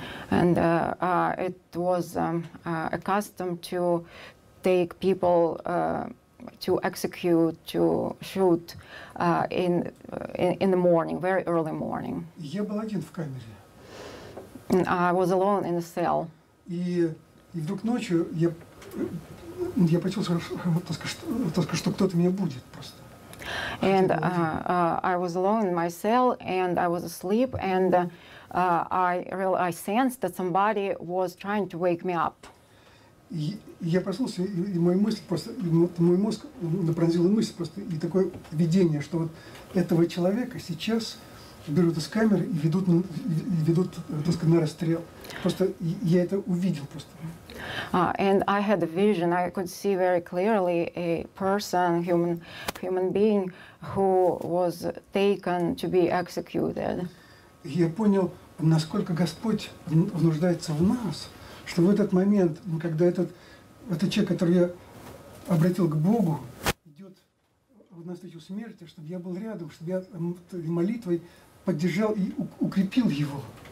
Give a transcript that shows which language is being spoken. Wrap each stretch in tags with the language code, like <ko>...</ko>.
<en>And it was a custom to take people to execute, to shoot in the morning, very early morning.</en> <ru>Я был один в камере.</ru> <en>I was alone in the cell.</en> <ru>И вдруг ночью я почувствовал, что кто-то меня будет просто.</ru> <en>And I was alone in my cell, and I was asleep, and I sensed that somebody was trying to wake me up.</en> <ru>Я проснулся, и мой мозг пронзила мысль просто, и такое видение, что вот этого человека сейчас берут из камеры и ведут, так сказать, на расстрел. Просто я это увидел просто.</ru> <en>And I had a vision. I could see very clearly a person, human being, who was taken to be executed.</en> <ru>Я понял, насколько Господь нуждается в нас, что в этот момент, когда этот человек, который я обратил к Богу, идет на встречу смерти, чтобы я был рядом, чтобы я молитвой поддержал и укрепил его.</ru>